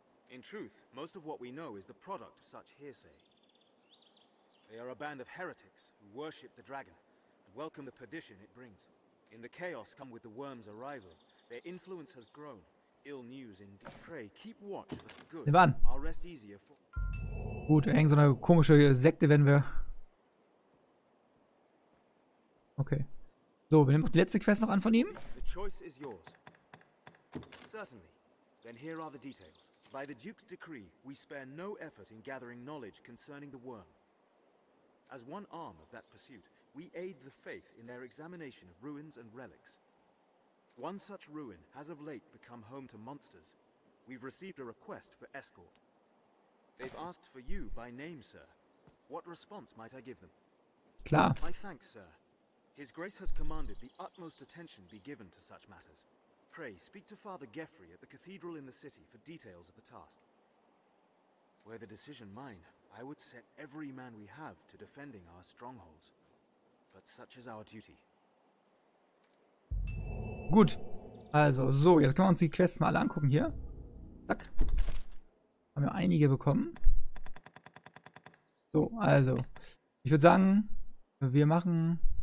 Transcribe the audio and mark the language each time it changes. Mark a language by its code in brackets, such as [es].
[en] In truth, most of what we know is the product of such hearsay. They are a band of heretics who worship the dragon and welcome the perdition it brings. In the chaos come with the worm's arrival, their influence has grown. Ill news indeed. Pray, keep watch for the good. I'll rest easier for... [de] Gut, irgend so eine komische Sekte werden wir... Okay. So, wir nehmen die letzte Quest noch an von ihm. [en] The choice is yours. Certainly. Then here are the details. By the Duke's decree, we spare no effort in gathering knowledge concerning the worm. As one arm of that pursuit, we aid the faith in their examination of ruins and relics. One such ruin has of late become home to monsters. We've received a request for escort. They've asked for you by name, sir. What response might I give them? [de] Klar. [en] My thanks, sir. His Grace has commanded the utmost attention be given to such matters. Pray, speak to Father Geoffrey at the cathedral in the city for details of the task. Were the decision mine, I would set every man we have to defending our strongholds. But such is our duty. [de] Gut. Also, so, jetzt können wir uns die Quests mal angucken hier. Zack. Haben wir einige bekommen. So, also. Ich würde sagen, wir machen...